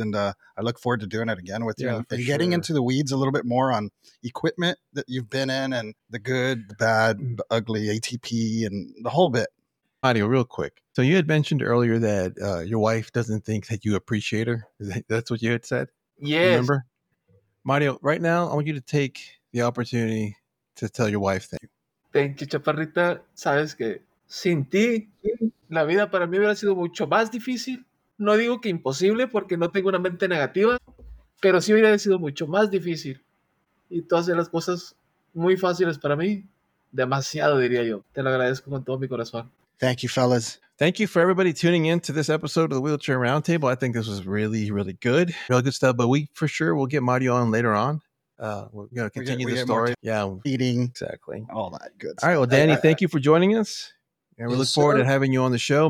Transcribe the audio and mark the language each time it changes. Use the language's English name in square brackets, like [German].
[English] And I look forward to doing it again with you and getting into the weeds a little bit more on equipment that you've been in and the good, the bad, the ugly, ATP, and the whole bit. Mario, real quick. So you had mentioned earlier that your wife doesn't think that you appreciate her. That's what you had said? Yes. Remember? Mario, right now, I want you to take the opportunity to tell your wife thank you. Thank you, chaparrita. [Spanish] Sabes que sin ti, la vida para mí hubiera sido mucho más difícil. No digo que imposible porque no tengo una mente negativa, pero sí hubiera sido mucho más difícil. Y tú haces las cosas muy fáciles para mí. Demasiado, diría yo. Te lo agradezco con todo mi corazón. [English] Thank you, fellas. Thank you for everybody tuning in to this episode of the Wheelchair Roundtable. I think this was really, really good. Real good stuff, but we for sure will get Mario on later on. We're going to continue the story. Yeah. Eating. Exactly. All that good stuff. All right. Well, Danny, thank you for joining us. And we look forward to having you on the show.